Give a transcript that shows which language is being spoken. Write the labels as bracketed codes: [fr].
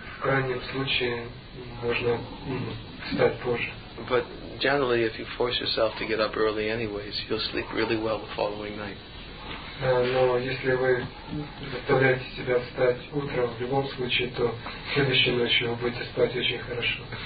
[ru] крайнем случае можно встать позже. [en] But generally, if you force yourself to get up early anyways, you'll sleep really well the following night. [ru] Но если вы заставляете себя встать утром, в любом случае, то следующей ночью вы будете спать очень хорошо.